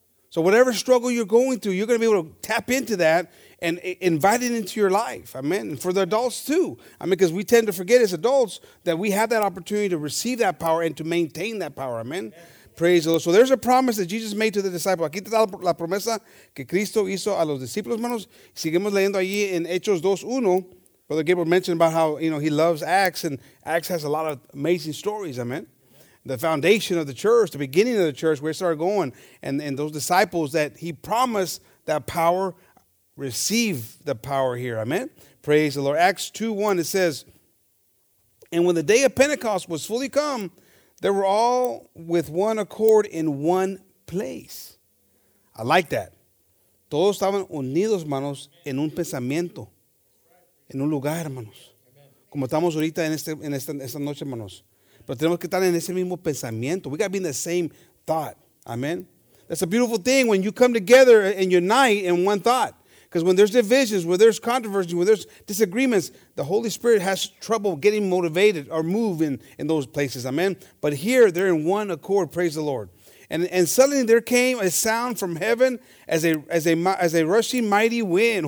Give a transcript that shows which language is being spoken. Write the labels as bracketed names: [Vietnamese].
[English] So whatever struggle you're going through, you're going to be able to tap into that and invite it into your life. Amen. And for the adults too. I mean, because we tend to forget as adults that we have that opportunity to receive that power and to maintain that power. Amen. Praise the Lord. So there's a promise that Jesus made to the disciples. [Spanish] Aquí está la promesa que Cristo hizo a los discípulos, hermanos. Seguimos leyendo allí en Hechos 2:1. [English] Brother Gabriel mentioned about how, you know, he loves Acts, and Acts has a lot of amazing stories, amen. The foundation of the church, the beginning of the church, where it started going, and those disciples that he promised that power, receive the power here. Amen. Praise the Lord. Acts 2:1, it says, and when the day of Pentecost was fully come, they were all with one accord in one place. I like that. [Spanish] Todos estaban unidos, manos, en un pensamiento. En un lugar, hermanos. Como estamos ahorita en esta noche, hermanos. Pero tenemos que estar en ese mismo pensamiento. [English] We got to be in the same thought. Amen. That's a beautiful thing when you come together and unite in one thought. Because when there's divisions, when there's controversy, when there's disagreements, the Holy Spirit has trouble getting motivated or moving in those places. Amen. But here, they're in one accord. Praise the Lord. And suddenly there came a sound from heaven as a rushing mighty wind.